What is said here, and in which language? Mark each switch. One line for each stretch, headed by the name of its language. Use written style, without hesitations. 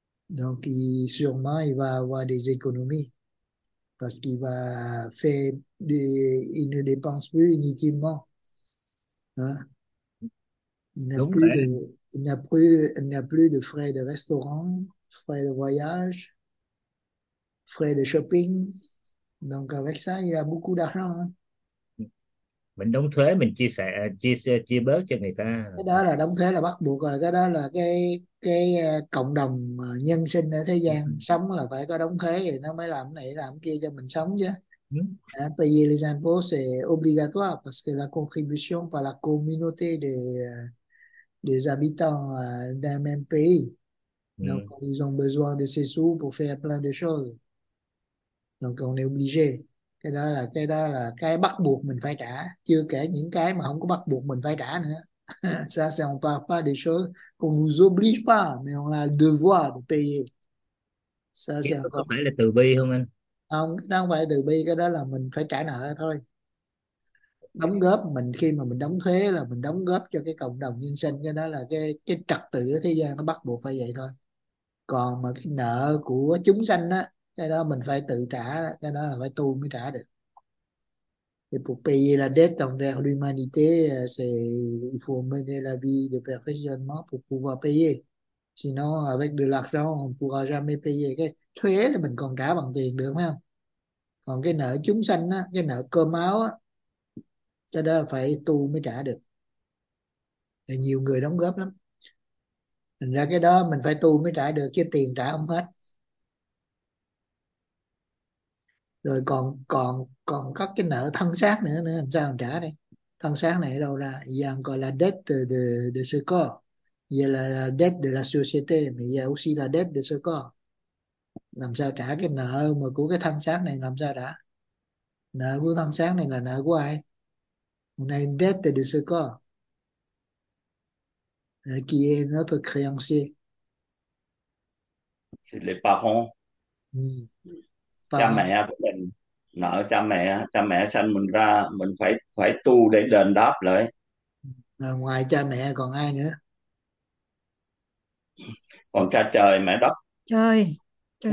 French: Donc il sûrement il va avoir des économies parce qu'il va faire il ne dépense plus inutilement. Hein?
Vietnamese: Đúng
French: Il n'a plus de frais de restaurant, frais de voyage, frais de shopping. Donc avec ça, il a beaucoup d'argent. Hein?
Vietnamese: mình đóng thuế, mình chia sẻ chia bớt cho người ta. Cái đó là đóng thuế là bắt buộc rồi, cái đó là cái cộng đồng nhân sinh ở thế gian sống là phải có đóng thuế thì nó mới làm cái này làm cái kia cho mình sống chứ. Đúng.
French: Payer les impôts c'est obligatoire parce que la contribution par la communauté des habitants d'un même pays. Donc ils ont besoin de ces sous pour faire plein de choses. Donc on est obligé.
Vietnamese: Cái đó là cái bắt buộc mình phải trả, chưa kể những cái mà không có bắt buộc mình phải trả nữa.
French: Ça, c'est on parle pas des choses qu'on ne nous oblige pas, mais on a le devoir de payer. Ça,
Vietnamese: Cái
French: c'est
Vietnamese: đó có
French: encore.
Vietnamese: phải là từ bi không anh? Không, nó không phải từ bi, cái đó là mình phải trả nợ thôi. Đóng góp mình, khi mà mình đóng thuế là mình đóng góp cho cái cộng đồng nhân sinh, cái đó là cái trật tự ở thế gian nó bắt buộc phải vậy thôi. Còn mà cái nợ của chúng sanh á, cái đó mình phải tự trả, cái đó là phải tu mới trả được.
French: Et pour payer la dette envers l'humanité, il faut mener la vie de perfectionnement pour pouvoir payer. Sinon, avec de l'argent, on ne pourra jamais payer.
Vietnamese: Cái thuế là mình còn trả bằng tiền được, phải không? Còn cái nợ chúng sanh, á, cái nợ cơm áo, á, cái đó phải tu mới trả được. Thì nhiều người đóng góp lắm. Thành ra cái đó mình phải tu mới trả được, chứ tiền trả không hết. Rồi còn còn còn có cái nợ thân xác nữa nữa làm sao mà trả đây, thân xác này ở đâu ra? Giờ gọi là
French: dette de ce corps,
Vietnamese: giờ là
French: dette de la société,
Vietnamese: mà giờ
French: aussi
Vietnamese: là dette de ce corps, làm sao trả cái nợ mà của cái thân xác này, làm sao trả nợ của thân xác này là nợ của ai?
French: Này dette de ce corps qui est notre créancier. Les parents,
Vietnamese: cha
French: Parents.
Vietnamese: mẹ của mình nợ cha mẹ sanh mình ra, mình phải phải tu để đền đáp lại. À, ngoài cha mẹ còn ai nữa? Còn cha trời mẹ đất, Trời, trời